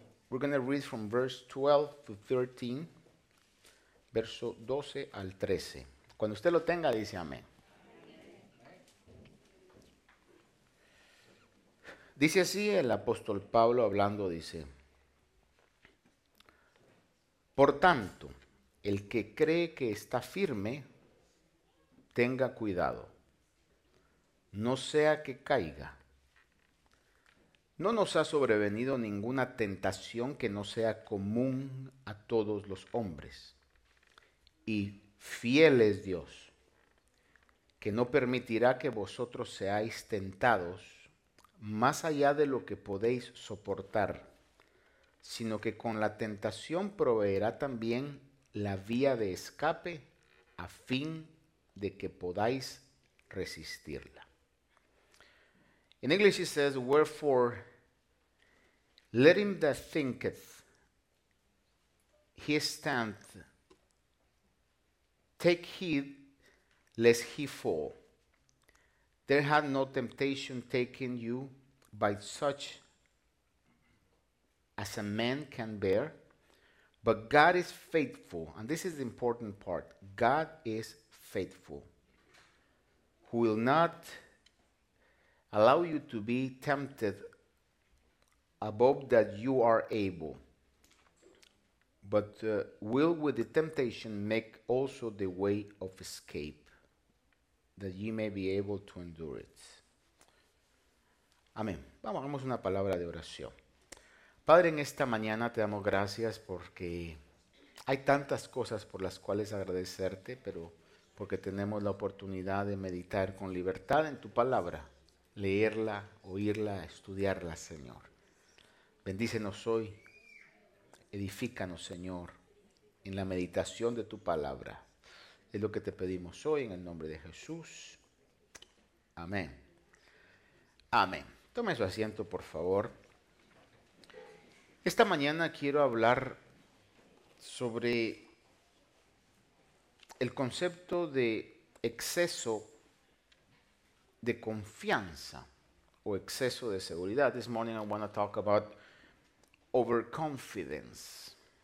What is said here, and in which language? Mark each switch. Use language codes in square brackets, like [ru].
[en] We're going to read from verse 12 to 13, [es] verso 12 al 13. Cuando usted lo tenga, dice amén. Dice así el apóstol Pablo hablando, dice: por tanto, el que cree que está firme, tenga cuidado, no sea que caiga. No nos ha sobrevenido ninguna tentación que no sea común a todos los hombres. Y fiel es Dios, que no permitirá que vosotros seáis tentados más allá de lo que podéis soportar, sino que con la tentación proveerá también la vía de escape a fin de que podáis resistirla. [en] In English it says, wherefore, let him that thinketh he standeth take heed lest he fall. There hath no temptation taken you by such as a man can bear. But God is faithful, and this is the important part. God is faithful, who will not allow you to be tempted above that you are able, but will with the temptation make also the way of escape, that ye may be able to endure it. [es] Amén. Vamos a una palabra de oración. Padre, en esta mañana te damos gracias porque hay tantas cosas por las cuales agradecerte, pero porque tenemos la oportunidad de meditar con libertad en tu palabra, leerla, oírla, estudiarla, Señor. Bendícenos hoy, edifícanos, Señor, en la meditación de tu palabra. Es lo que te pedimos hoy en el nombre de Jesús. Amén. Amén. Tome su asiento, por favor. Esta mañana quiero hablar sobre el concepto de exceso de confianza o exceso de seguridad. [en] This morning I want to talk about overconfidence.